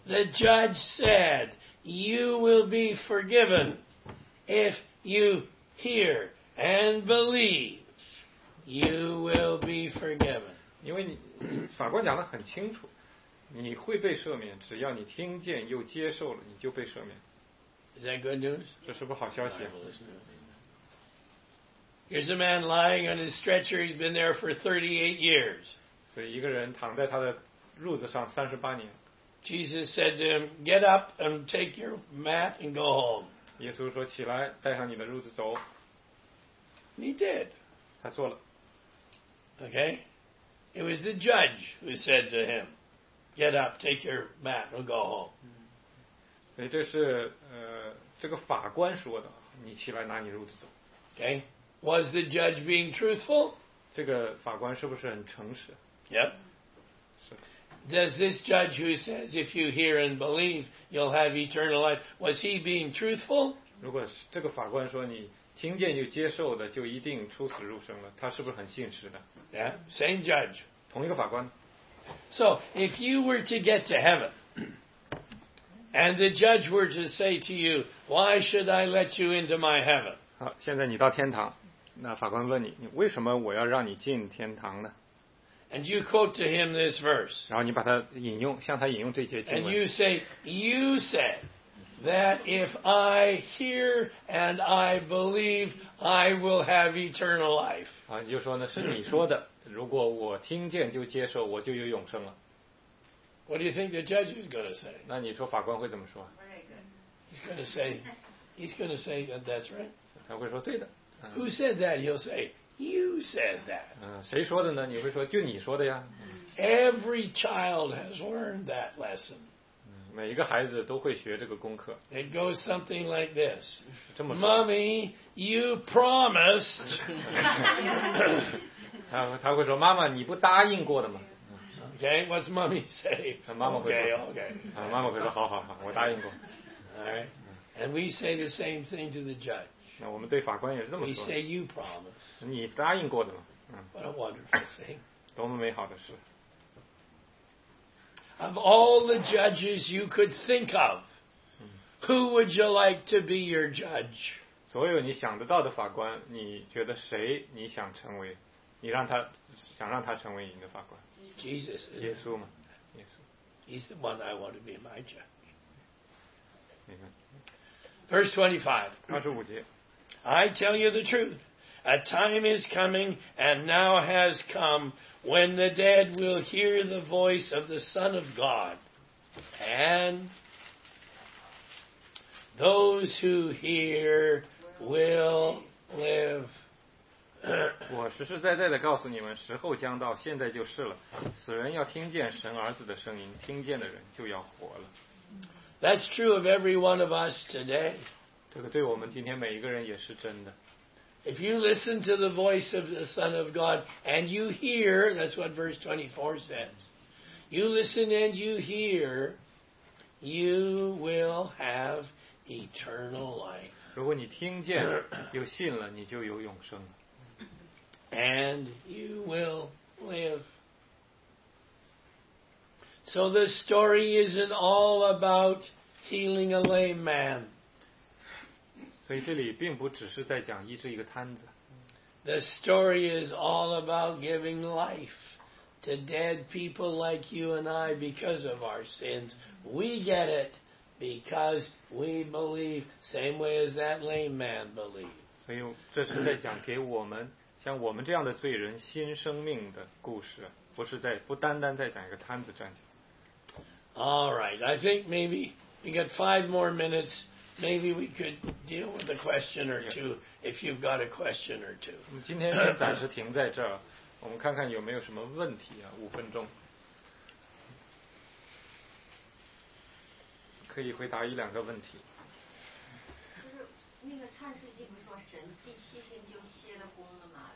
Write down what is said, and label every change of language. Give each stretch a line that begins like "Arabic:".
English: The judge said, you will be forgiven if you hear and believe. You will be forgiven.
Chinese: 因为你法官讲得很清楚，你会被赦免，只要你听见又接受了，你就被赦免。
English: Is that good news?
Chinese: 这是不好消息。
English: Here's a man lying on his stretcher. He's been there for 38 years.
Chinese: 所以一个人躺在他的褥子上38年。
English: Jesus said to him, get up and take your mat and go home.
Chinese: 耶稣说起来，带上你的褥子走。
English: He did.
Chinese: 他做了。
English: Okay? It was the judge who said to him,Get up, take your mat, and go home.
Chinese: 所以这是这个法官说的，你起来拿你褥子走。
English: Okay, was the judge being truthful?
Chinese: 这个法官是不是很诚实
English: ？Yep. Does this judge who says if you hear and believe you'll have eternal life, was he being truthful?
Chinese: 如果这个法官说你听见就接受的就一定出死入生了，他是不是很信实的
English: ？Yeah, same judge.
Chinese: 同一个法官。
English: So, if you were to get to heaven, and the judge were to say to you, why should I let you into my heaven?
Chinese: 好，现在你到天堂，那法官问你，你为什么我要让你进天堂呢？
English: And you quote to him this verse.
Chinese: 然后你把它引用，向他引用这节经文。
English: And you say, you said that if I hear and I believe, I will have eternal life.
Chinese: 啊，你就说呢，是你说的。如果我听见就接受，我就有永生了。
English: What do you think the judge is going to say?
Chinese: 那你说法官会怎么说
English: ？He's going to say, he's going to say that that's right.
Chinese: 他会说对的。
English: Who said that? He'll say, you said that.
Chinese: 谁说的呢？你会说就你说的呀。
English: Every child has learned that lesson.
Chinese: 每一个孩子都会学这个功课。
English: It goes something like this.
Chinese: 这么说。
English: Mommy, you promised.
Chinese: 他会说妈妈你不答应过的吗
English: OK what's mommy say
Chinese: 妈妈会说
English: okay, okay.
Chinese: 妈妈会说好好好我答应过
English: Alright And we say the same thing to the judge
Chinese: 那我们对法官也是这么说
English: We say you promise
Chinese: 你答应过的吗
English: What a wonderful thing
Chinese: 多么美好的事
English: Of all the judges you could think of Who would you like to be your judge
Chinese: 所有你想得到的法官你觉得谁你想成为你让他想让他成为你的法官
English: Jesus
Chinese: 耶稣吗耶稣
English: He's the one I want to be my judge Verse 25
Chinese: 二十五节
English: I tell you the truth A time is coming And now has come When the dead will hear the voice Of the Son of God And Those who hear Will live
Chinese: 我实实在在的告诉你们，时候将到，现在就是了。死人要听见神儿子的声音，听见的人就要活了。
English: That's true of every one of us today.
Chinese: 这个对我们今天每一个人也是真的。
English: If you listen to the voice of the Son of God and you hear, that's what verse 24 says. You listen and you hear, you will have eternal life.
Chinese: 如果你听见又信了，你就有永生。
English: And you will live. So the story isn't all about healing a lame man.
Chinese: 所以这里并不只是在讲医治一个瘫子。
English: The story is all about giving life to dead people like you and I because of our sins. We get it because we believe, same way as that lame man believed.
Chinese: 所以这是在讲给我们像我们这样的罪人新生命的故事，不是在不单单在讲一个摊子战绩。
English: All right, I think maybe we got 5 more minutes maybe we could deal with a question or two if you've got a question or two.
Chinese: 我们今天先暂时停在这儿，我们看看有没有什么问题啊？五分钟，可以回答一两个问题。那个创世纪不是说神第七天就歇了工了吗？